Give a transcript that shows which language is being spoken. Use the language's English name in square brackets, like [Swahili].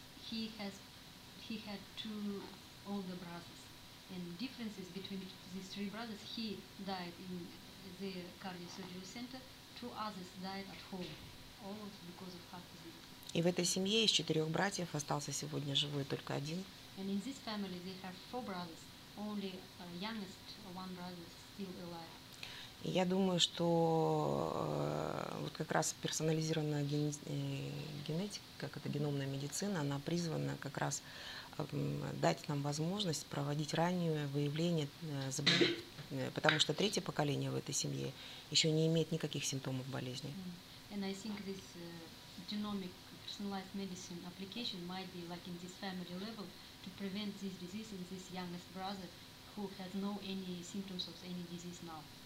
[English] He had two older brothers, and differences between these three brothers, he died in the cardiosurgery center. Two others died at home, all because of heart disease. [Russian] И в этой семье из четырех братьев остался сегодня живой только один. [English] And in this family they have four brothers, only youngest one brother is still alive. [Russian] И я думаю, что вот как раз персонализированная генетика, как это геномная медицина, она призвана как раз дать нам возможность проводить раннее выявление заболеваний, потому что третье поколение в этой семье еще не имеет никаких симптомов болезни. [English] And I think this genomic personalized medicine application might be like in this family level to prevent this disease in this youngest brother who has no any symptoms of any disease now.